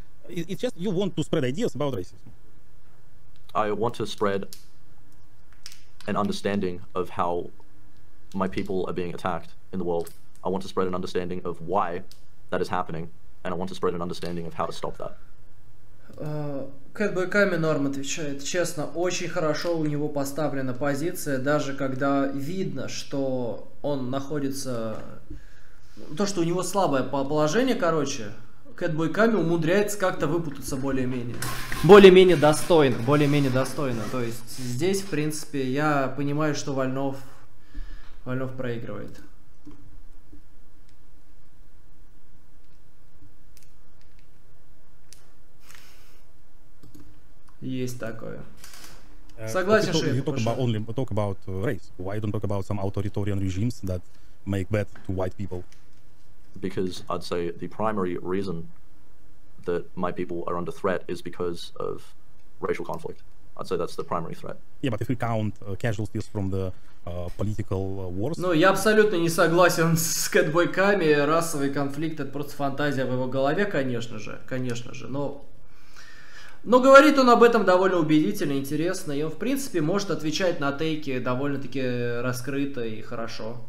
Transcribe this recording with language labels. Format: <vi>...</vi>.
<en>It's just you want to spread ideas about racism. I want to spread an understanding of how my people are being attacked in the world. I want to spread an understanding of why that is happening, and I want to spread an understanding of how to stop that.</en> <ru>Кэтбой Ками норм отвечает. Честно, очень хорошо у него поставлена позиция, даже когда видно, что он находится... То, что у него слабое положение, короче, Кэтбой Ками умудряется как-то выпутаться более-менее. Более-менее достойно. То есть здесь, в принципе, я понимаю, что Вольнов проигрывает. Есть такое. Согласен, что</ru> <en>you talk about only talk about race. Why you don't talk about some authoritarian regimes that make bad to white people? Because I'd say the primary reason that my people are under threat is because of racial conflict. I'd say that's the primary threat. Yeah, but if we count casualties from the political wars.</en> <ru>Ну, я абсолютно не согласен с кэтбойками. Расовый конфликт это просто фантазия в его голове, конечно же. Конечно же. Но говорит он об этом довольно убедительно, интересно, и он, в принципе, может отвечать на тейки довольно-таки раскрыто и хорошо.</ru>